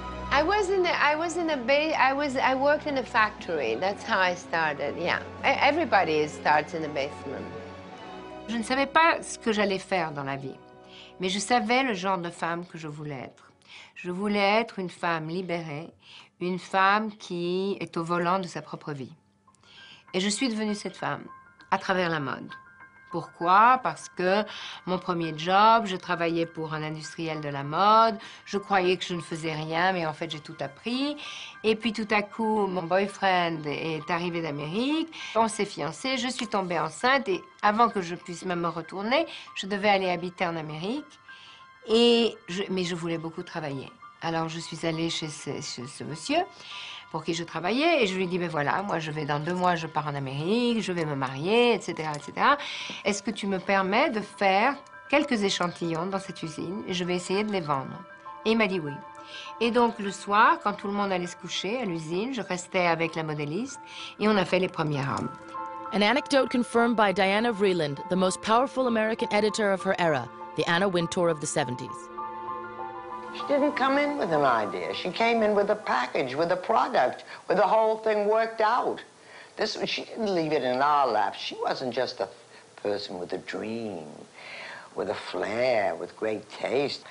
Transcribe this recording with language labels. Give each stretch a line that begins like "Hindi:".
English: I worked in a factory. That's how I started. Yeah, everybody starts in the basement.
French: Je ne savais pas ce que j'allais faire dans la vie, mais je savais le genre de femme que je voulais être. Je voulais être une femme libérée, une femme qui est au volant de sa propre vie. Et je suis devenue cette femme, à travers la mode. Pourquoi? Parce que mon premier job, je travaillais pour un industriel de la mode, je croyais que je ne faisais rien, mais en fait j'ai tout appris. Et puis tout à coup, mon boyfriend est arrivé d'Amérique, on s'est fiancés, je suis tombée enceinte, et avant que je puisse même me retourner, je devais aller habiter en Amérique. Mais je voulais beaucoup travailler. Alors je suis allée chez ce monsieur pour qui je travaillais et je lui ai dit, ben voilà, moi je vais dans 2 mois, je pars en Amérique, je vais me marier, etc., etc. Est-ce que tu me permets de faire quelques échantillons dans cette usine et je vais essayer de les vendre? Et il m'a dit oui. Et donc le soir, quand tout le monde allait se coucher à l'usine, je restais avec la modéliste et on a fait les premières robes.
English: An anecdote confirmed by Diana Vreeland, the most powerful American editor of her era, the Anna Wintour of the 70s. She didn't come in with an idea. She came in with a package, with a product, with the whole thing worked out. She didn't leave it in our lap. She wasn't just a person with a dream, with a flair, with great taste.